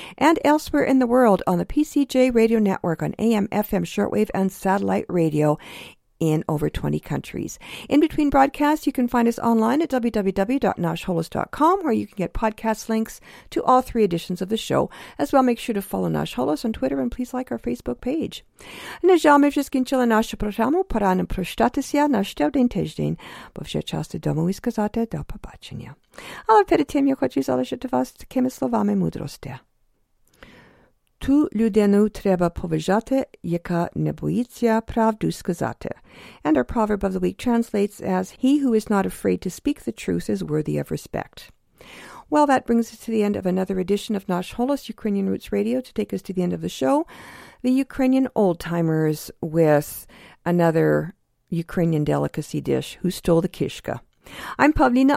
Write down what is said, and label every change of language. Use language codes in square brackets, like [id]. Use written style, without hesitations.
[en] And elsewhere in the world on the PCJ Radio Network on AM, FM, shortwave, and satellite radio in over 20 countries. In between broadcasts, you can find us online at www.nashholos.com, where you can get podcast links to all three editions of the show. As well, make sure to follow Nash Holos on Twitter and please like our Facebook page. [uk] Нажал ми вже скінчили нашу програму. Пора нам прощатися на ще один тиждень, бо вже час додому і сказати до побачення. Але перед тим я хочу залишити вас такими словами мудрості. Ту людину треба поважати, яка не боїться правду сказати. [en] And our proverb of the week translates as, "He who is not afraid to speak the truth is worthy of respect." Well, that brings us to the end of another edition of Nash Holos Ukrainian Roots Radio. To take us to the end of the show, the Ukrainian old timers with another Ukrainian delicacy dish, "Who Stole the Kishka?" I'm Pavlina.